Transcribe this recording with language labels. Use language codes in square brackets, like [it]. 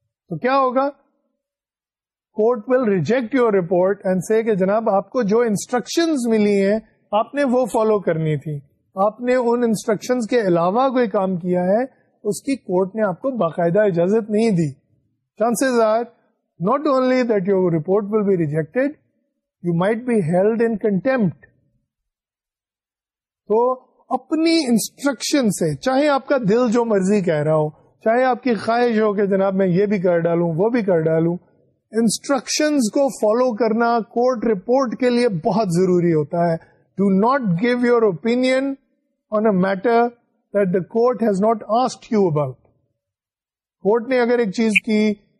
[ur] تو کیا ہوگا, [en] court will reject your report and say [ur] کہ جناب آپ کو جو instructions ملی ہیں آپ نے وہ فالو کرنی تھی, آپ نے ان instructions کے علاوہ کوئی کام کیا ہے اس کی کورٹ نے آپ کو باقاعدہ اجازت نہیں دی. [en] Chances are not only that your report will be rejected, you might be held in contempt. [ur] تو اپنی انسٹرکشن سے چاہے آپ کا دل جو مرضی کہہ رہا ہو, چاہے آپ کی خواہش ہو کہ جناب میں یہ بھی کر ڈالوں وہ بھی کر ڈالوں, انسٹرکشنز کو فالو کرنا کورٹ رپورٹ کے لیے بہت ضروری ہوتا ہے. [en] Do not give your opinion on a matter that the court has not asked you about. [ur] Court نے اگر ایک چیز کی